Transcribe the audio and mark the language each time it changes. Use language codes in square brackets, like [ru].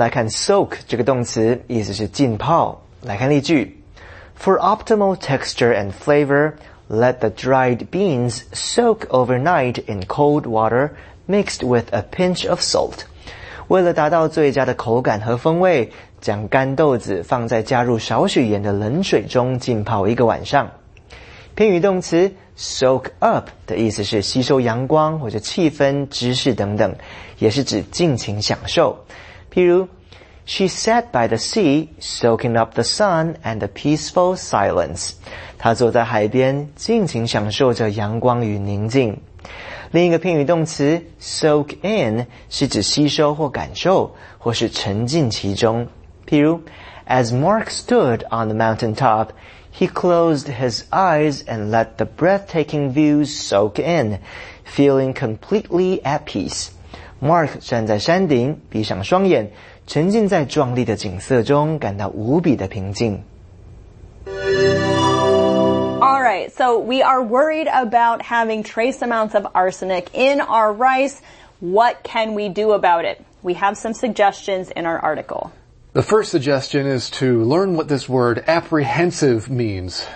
[zh] Soak 这个动词意思是浸泡。来看例句。 [en] For optimal texture and flavor, let the dried beans soak overnight in cold water mixed with a pinch of salt. [zh] 为了达到最佳的口感和风味，将干豆子放在加入少许盐的冷水中浸泡一个晚上。偏语动词 soak up 的意思是吸收阳光或者气氛、知识等等，也是指尽情享受。 [en] 譬如She sat by the sea, soaking up the sun and the peaceful silence. [zh] 她坐在海边，尽情享受着阳光与宁静。另一个偏语动词 soak in 是指吸收或感受，或是沉浸其中。 [en] 譬如 ，As Mark stood on the mountain top, he closed his eyes and let the breathtaking views soak in, feeling completely at peace. [zh] Mark 站在山顶，闭上双眼。沉浸在壮丽的景色中，感到无比的平静。 [en] All right, so we are worried about having trace amounts of arsenic in our rice. What can we do about it? We have some suggestions in our article. The first suggestion is to learn what this word apprehensive means.